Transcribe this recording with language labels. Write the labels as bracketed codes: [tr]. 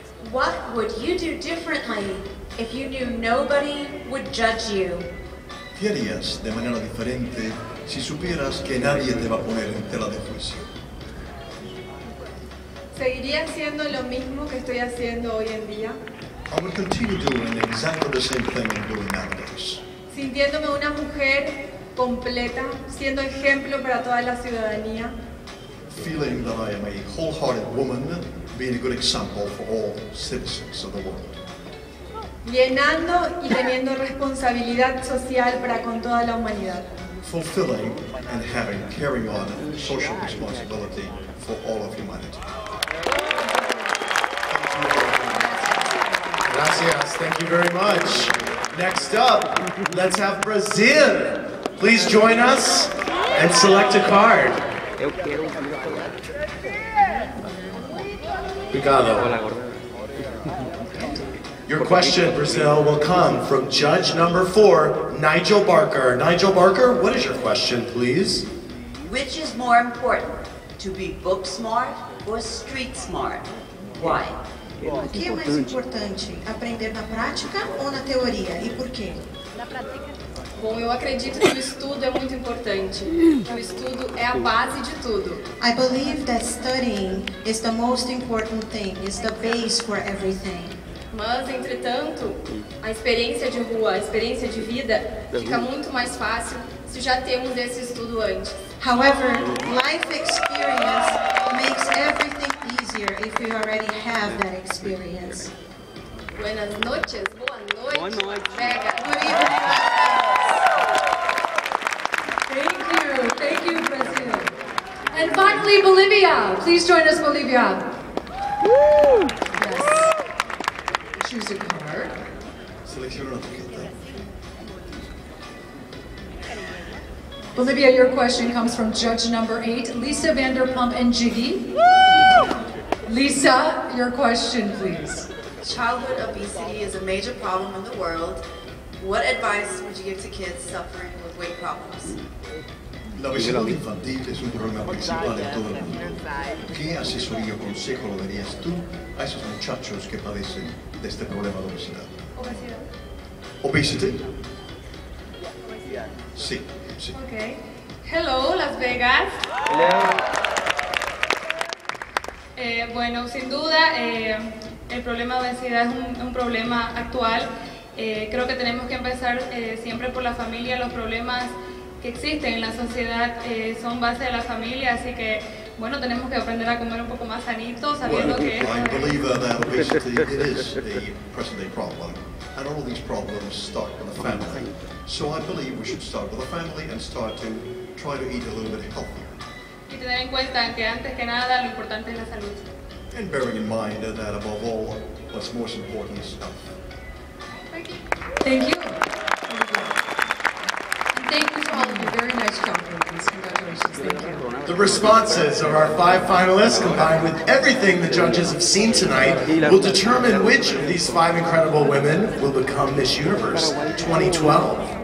[en] What would you do differently if you knew nobody would judge you? [es] ¿Qué harías de manera diferente si supieras que nadie te va a poner en tela de juicio? ¿Seguiría haciendo lo mismo que estoy haciendo hoy en día? [en] I would continue doing exactly the same thing I'm doing nowadays. [es] Sintiéndome una mujer completa, siendo ejemplo para toda la ciudadanía. [en] Feeling that I am a wholehearted woman, being a good example for all citizens of the world. [es] Llenando y teniendo responsabilidad social para con toda la humanidad. [en] Fulfilling and having, carrying on social responsibility for all of humanity. [es] Gracias, [en] thank you very much. Next up, let's have Brazil. Please join us and select a card. [pt] Obrigado. [en] Your question, Brazil, will come from judge number 4, Nigel Barker. Nigel Barker, what is your question, please? Which is more important, to be book smart or street smart? Why? [pt] O que é mais importante, aprender na prática ou na teoria? E por quê? Na prática. Bom, eu acredito que o estudo é muito importante. Que o estudo é a base de tudo. [en] I believe that studying is the most important thing, is the base for everything. [pt] Mas, entretanto, a experiência de rua, a experiência de vida, fica muito mais fácil se já temos esse estudo antes. [en] However, life experience makes everything if you already have that experience. [es] Buenas noches. [pt] Boa noite. Boa noite. Mega. [en] Good evening. Thank you. Thank you, Brazil. And finally, Bolivia. Please join us, Bolivia. Woo! Yes. Choose a card. Selection of the card. Bolivia, your question comes from judge number 8, Lisa Vanderpump and Jiggy. Woo! Lisa, your question, please. Childhood obesity is a major problem in the world. What advice would you give to kids suffering with weight problems? [es] La obesidad infantil es un problema principal en todo el mundo. ¿Qué asesoría o consejo le darías tú a esos muchachos que padecen de este problema de obesidad? Obesidad. [en] Obesity? [es] Sí, sí. [en] Okay. Hello, Las Vegas. Hello. [es] Bueno, sin duda, el problema de obesidad es un problema actual. Creo que tenemos que empezar siempre por la familia. Los problemas que existen en la sociedad son base de la familia, así que, bueno, tenemos que aprender a comer un poco más sanito, sabiendo [en] well, [es] que... [en] Well, I'm a believer that obesity is a present-day problem, and all these problems start with the family. So I believe we should start with the family and start to try to eat a little bit healthier. [es] Y tener en cuenta que antes que nada lo importante es la salud. [en] And bearing in mind that above all, what's most important is health. Thank you. Thank you to all of you. Very nice job. Congratulations. Thank you. The responses of our 5 finalists, combined with everything the judges have seen tonight, will determine which of these 5 incredible women will become Miss Universe 2012.